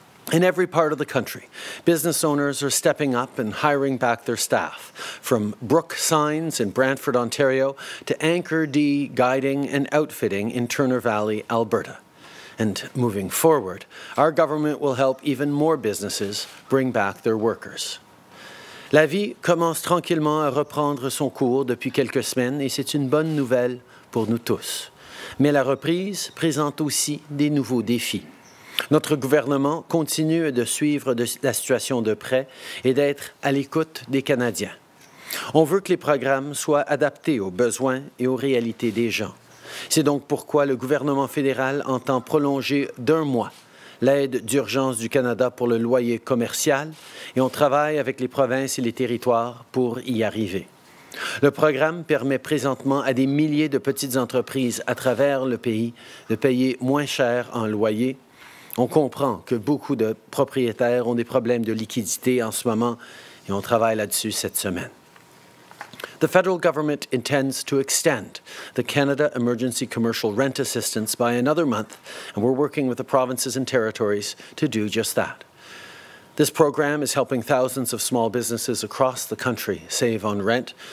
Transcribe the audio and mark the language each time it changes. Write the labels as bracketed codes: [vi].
[en] In every part of the country, business owners are stepping up and hiring back their staff, from Brook Signs in Brantford, Ontario, to Anchor D Guiding and Outfitting in Turner Valley, Alberta. And moving forward, our government will help even more businesses bring back their workers. [fr] La vie commence tranquillement à reprendre son cours depuis quelques semaines, et c'est une bonne nouvelle pour nous tous. Mais la reprise présente aussi des nouveaux défis. Notre gouvernement continue de suivre la situation de près et d'être à l'écoute des Canadiens. On veut que les programmes soient adaptés aux besoins et aux réalités des gens. C'est donc pourquoi le gouvernement fédéral entend prolonger d'un mois l'aide d'urgence du Canada pour le loyer commercial et on travaille avec les provinces et les territoires pour y arriver. Le programme permet présentement à des milliers de petites entreprises à travers le pays de payer moins cher en loyer. On comprend que beaucoup de propriétaires ont des problèmes de liquidité en ce moment et on travaille là-dessus cette semaine. [en] The federal government intends to extend the Canada Emergency Commercial Rent Assistance by another month, and we're working with the provinces and territories to do just that. This program is helping thousands of small businesses across the country save on rent.